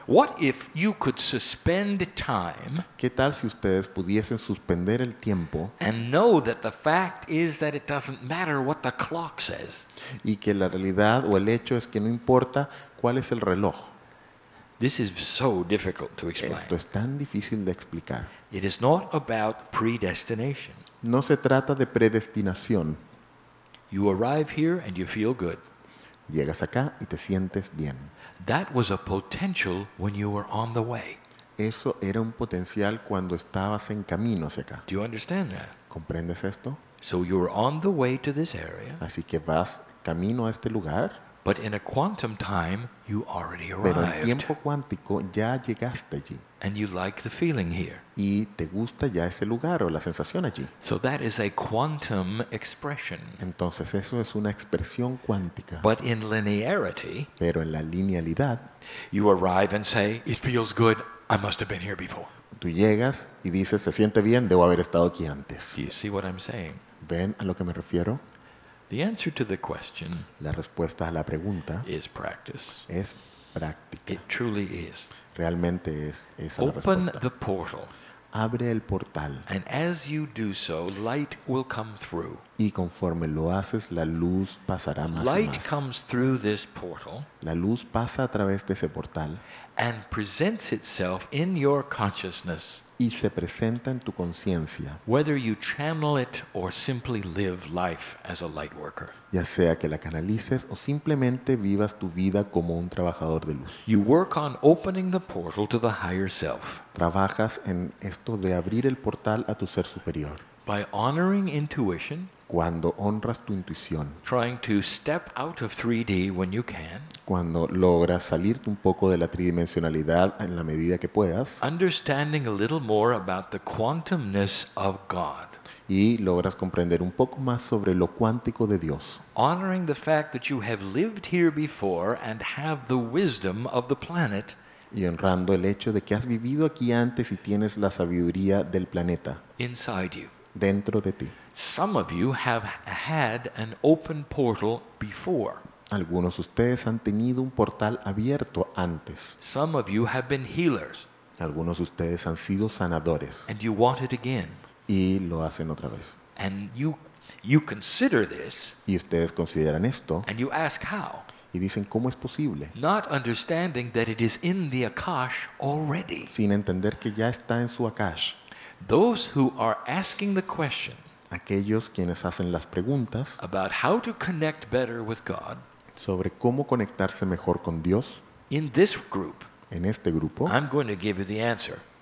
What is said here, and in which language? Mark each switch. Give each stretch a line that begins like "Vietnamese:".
English: What if you could suspend time?
Spanish: ¿Qué tal si ustedes pudiesen suspender el tiempo?
English: And know that the fact is that it doesn't matter what the clock says.
Spanish: Y que la realidad o el hecho es que no importa cuál es el reloj.
English: This is so difficult to explain.
Spanish: Esto es tan difícil de explicar.
English: It is not about predestination.
Spanish: No se trata de predestinación.
English: You arrive here and you feel good.
Spanish: Llegas acá y te sientes bien.
English: That was a potential when you were on the way.
Spanish: Eso era un potencial cuando estabas en camino hacia acá.
English: Do you understand that?
Spanish: ¿Comprendes esto?
English: So you're on the way to this area.
Spanish: Así que vas camino a este lugar.
English: But in a quantum time, you already arrived.
Spanish: Pero en tiempo cuántico ya llegaste allí.
English: And you like the feeling here.
Spanish: Y te gusta ya ese lugar o la sensación allí.
English: So that is a quantum expression.
Spanish: Entonces eso es una expresión cuántica.
English: But in linearity,
Spanish: pero en la linealidad,
English: you arrive and say, it feels good, I must have been here before.
Spanish: Tú llegas y dices, se siente bien, debo haber estado aquí antes.
English: Do you see what I'm saying?
Spanish: ¿Ven a lo que me refiero?
English: The answer to the question,
Spanish: la respuesta a la pregunta,
English: is practice.
Spanish: Es práctica.
English: It truly is.
Spanish: Realmente es esa la respuesta.
English: Open the portal.
Spanish: Abre el portal.
English: And as you do so, light will come through.
Spanish: Y conforme lo haces, la luz pasará más.
English: Light
Spanish: más.
English: Comes through this portal.
Spanish: La luz pasa a través de ese portal.
English: And presents itself in your consciousness.
Spanish: Y se presenta en tu conciencia.
English: Whether you channel it or simply live life as a light worker.
Spanish: Ya sea que la canalices o simplemente vivas tu vida como un trabajador de luz.
English: You work on opening the portal to the higher self.
Spanish: Trabajas en esto de abrir el portal a tu ser superior.
English: By honoring intuition.
Spanish: Cuando honras tu intuición.
English: Trying to step out of 3D when you can.
Spanish: Cuando logras salirte un poco de la tridimensionalidad en la medida que puedas.
English: Understanding a little more about the quantumness of God.
Spanish: Y logras comprender un poco más sobre lo cuántico de Dios.
English: Honoring the fact that you have lived here before and have the wisdom of the planet.
Spanish: Y honrando el hecho de que has vivido aquí antes y tienes la sabiduría del planeta.
English: Inside you.
Spanish: Dentro de ti.
English: Some of you have had an open portal before.
Spanish: Algunos de ustedes han tenido un portal abierto antes.
English: Some of you have been healers.
Spanish: Algunos de ustedes han sido sanadores.
English: And you want it again.
Spanish: Y lo hacen otra vez.
English: And you consider this.
Spanish: Y ustedes consideran esto.
English: And you ask how.
Spanish: Y dicen, ¿cómo es posible?
English: Not understanding that it is in the Akash already.
Spanish: Sin entender que ya está en su Akash.
English: Those who are asking the question.
Spanish: Aquellos quienes hacen las preguntas.
English: About how to connect better with God.
Spanish: Sobre cómo conectarse mejor con Dios.
English: In this group.
Spanish: En este grupo.
English: I'm going to give you the answer.